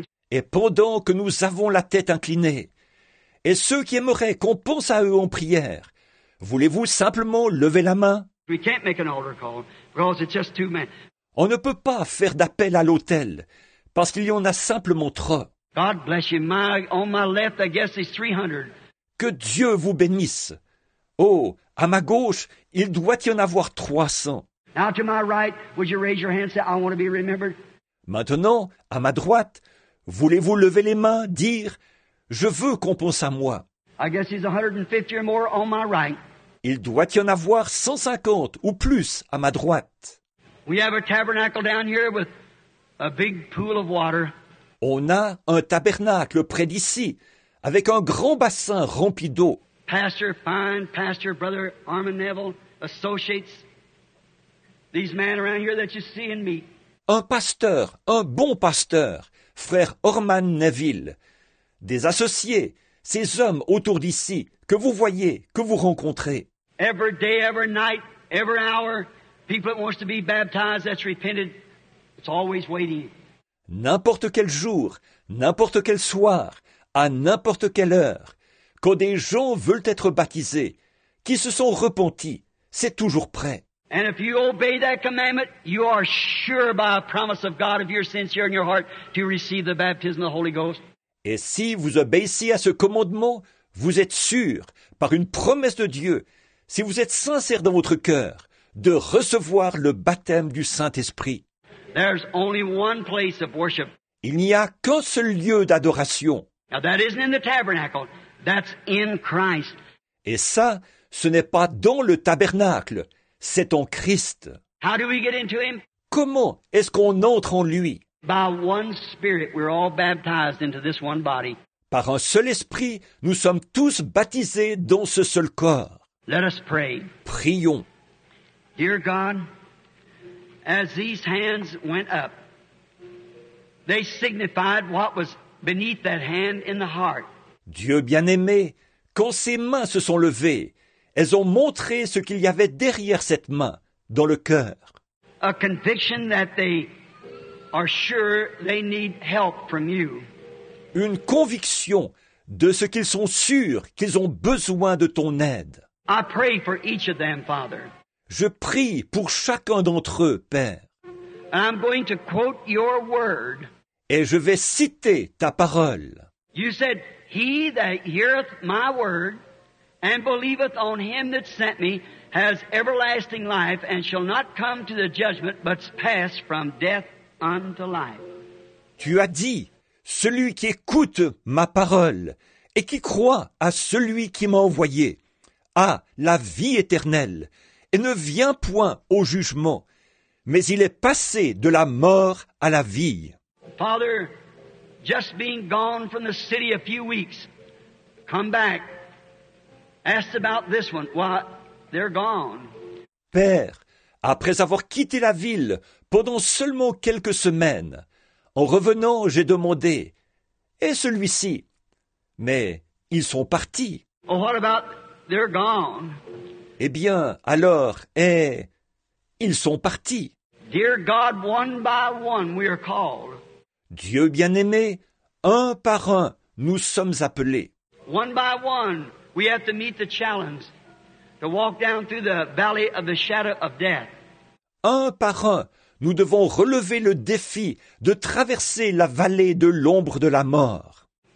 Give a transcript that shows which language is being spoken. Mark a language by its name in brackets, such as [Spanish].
[French] Et pendant que nous avons la tête inclinée, et ceux qui aimeraient qu'on pense à eux en prière, voulez-vous simplement lever la main? [English] We can't make an altar call because it's just too many. [French] On ne peut pas faire d'appel à l'autel parce qu'il y en a simplement trop. [English] God bless you. On my left, I guess it's 300. [French] Que Dieu vous bénisse. Oh, à ma gauche, il doit y en avoir 300. [English] Now to my right, would you raise your hand and say, I want to be remembered? [French] Maintenant, à ma droite, voulez-vous lever les mains, dire, je veux qu'on pense à moi? [English] I guess it's 150 or more on my right. [French] Il doit y en avoir 150 ou plus à ma droite. [English] We have a tabernacle down here with a big pool of water. [French] On a un tabernacle près d'ici, avec un grand bassin rempli d'eau. [English] Pastor Fine, Pastor Brother Armand Neville, associates, these men around here that you see and meet. [French] Un pasteur, un bon pasteur, frère Armand Neville, des associés, ces hommes autour d'ici, que vous voyez, que vous rencontrez. [English] Every day, every night, every hour, people that wants to be baptized, that's repented, it's always waiting. [French] N'importe quel jour, n'importe quel soir, à n'importe quelle heure, quand des gens veulent être baptisés, qui se sont repentis, c'est toujours prêt. [English] And if you obey that commandment, you are sure by a promise of God, if you're sincere in your heart, to receive the baptism of the Holy Ghost. [French] Et si vous obéissez à ce commandement, vous êtes sûr, par une promesse de Dieu, si vous êtes sincère dans votre cœur, de recevoir le baptême du Saint-Esprit. [English] There's only one place of worship. [French] Il n'y a qu'un seul lieu d'adoration. [English] Now that isn't in the tabernacle. That's in Christ. [French] Et ça, ce n'est pas dans le tabernacle, c'est en Christ. [English] How do we get into him? [French] Comment est-ce qu'on entre en lui? [English] By one spirit, we're all baptized into this one body. [French] Par un seul esprit, nous sommes tous baptisés dans ce seul corps. [English] Let us pray. [French] Prions. [English] Dear God, as these hands went up, they signified what was beneath that hand in the heart. [French] Dieu bien-aimé, quand ces mains se sont levées, elles ont montré ce qu'il y avait derrière cette main, dans le cœur. [English] A conviction that they are sure they need help from you. [French] Une conviction de ce qu'ils sont sûrs qu'ils ont besoin de ton aide. [English] I pray for each of them, Father. [French] Je prie pour chacun d'entre eux, Père. [English] I'm going to quote your word. [French] Et je vais citer ta parole. [English] You said, he that heareth my word and believeth on him that sent me has everlasting life and shall not come to the judgment but pass from death unto life. [French] Tu as dit, celui qui écoute ma parole et qui croit à celui qui m'a envoyé a la vie éternelle et ne vient point au jugement, mais il est passé de la mort à la vie. [English] Father, just being gone from the city a few weeks, come back, asked about this one. Why, they're gone. [French] Père, après avoir quitté la ville pendant seulement quelques semaines, en revenant, j'ai demandé, « Et celui-ci ?» Mais ils sont partis. [English] Well, what about they're gone? [French] Eh bien, alors, et ils sont partis. [English] Dear God, one by one we are called. [French] Dieu bien-aimé, un par un, nous sommes appelés. [English] One by one, we have to meet the challenge to walk down through the valley of the shadow of death. [French] Un par un, nous devons relever le défi de traverser la vallée de l'ombre de la mort.